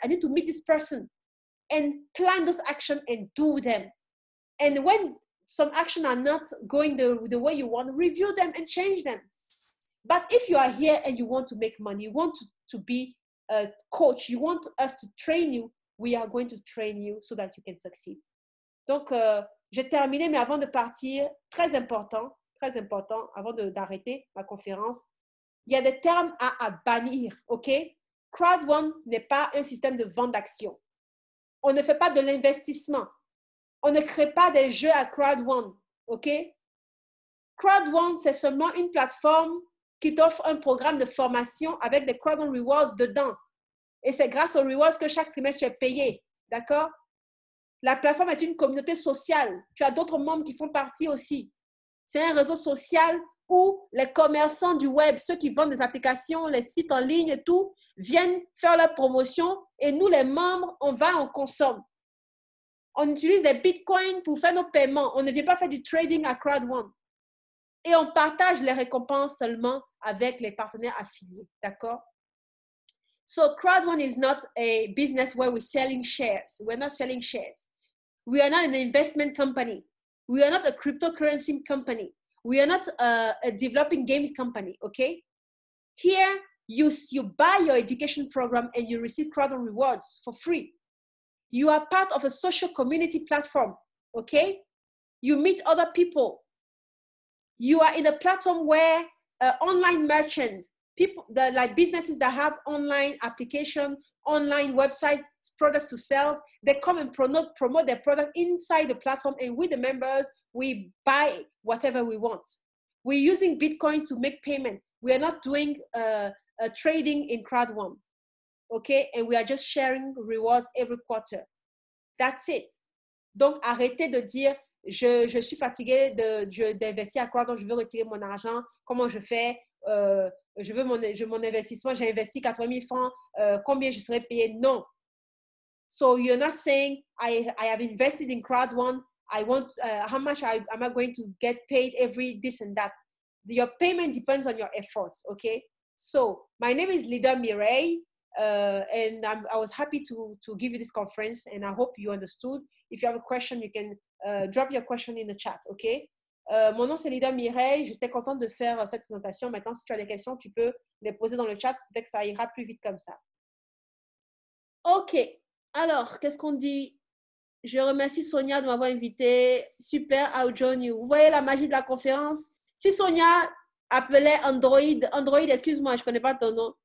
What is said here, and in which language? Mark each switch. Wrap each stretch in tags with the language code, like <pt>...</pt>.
<en>I need to meet this person. And plan those actions and do them. And when some actions are not going the way you want, review them and change them. But if you are here and you want to make money, you want to be a coach, you want us to train you, we are going to train you so that you can succeed.</en> <fr>Donc, j'ai terminé, mais avant de partir, très important, avant d'arrêter ma conférence, il y a des termes à bannir, ok? Crowdfunding n'est pas un système de vente d'actions. On ne fait pas de l'investissement. On ne crée pas des jeux à Crowdfunding, ok? Crowdfunding, c'est seulement une plateforme qui t'offre un programme de formation avec des Crowdfunding Rewards dedans. Et c'est grâce aux Rewards que chaque trimestre tu es payé, d'accord? La plateforme est une communauté sociale. Tu as d'autres membres qui font partie aussi. C'est un réseau social où les commerçants du web, ceux qui vendent des applications, les sites en ligne et tout, viennent faire leur promotion et nous, les membres, on va, on consomme. On utilise les bitcoins pour faire nos paiements. On ne vient pas faire du trading à Crowdfunding. Et on partage les récompenses seulement avec les partenaires affiliés. D'accord?</fr> <en>So, Crowdfunding is not a business where we're selling shares. We're not selling shares. We are not an investment company. We are not a cryptocurrency company. We are not a developing games company, okay? Here, you buy your education program and you receive Crowdfunding rewards for free. You are part of a social community platform, okay? You meet other people. You are in a platform where online merchant, people that, like businesses that have online application, online websites, products to sell, they come and promote their product inside the platform, and with the members, we buy whatever we want. We're using Bitcoin to make payment. We are not doing a trading in Crowdfunding, okay? And we are just sharing rewards every quarter. That's it.</en> <fr>Donc, arrêtez de dire, je suis fatigué d'investir à Crowdfunding, je veux retirer mon argent, comment je fais? Je veux mon investissement, j'ai investi 80 000 francs, combien je serai payé? Non.</fr> <en>So you're not saying, I have invested in Crowdfunding, I want, how much am I going to get paid every this and that? Your payment depends on your efforts, okay? So, my name is Lida Mireille, and I was happy to give you this conference, and I hope you understood. If you have a question, you can drop your question in the chat, okay?</en> <fr>Mon nom, c'est Lida Mireille. J'étais contente de faire cette présentation. Maintenant, si tu as des questions, tu peux les poser dans le chat. Peut-être que ça ira plus vite comme ça. OK. Alors, qu'est-ce qu'on dit? Je remercie Sonia de m'avoir invitée. Super,</fr> <en>I'll join you.</en> <fr>Vous voyez la magie de la conférence? Si Sonia appelait Android, excuse-moi, je ne connais pas ton nom.</fr>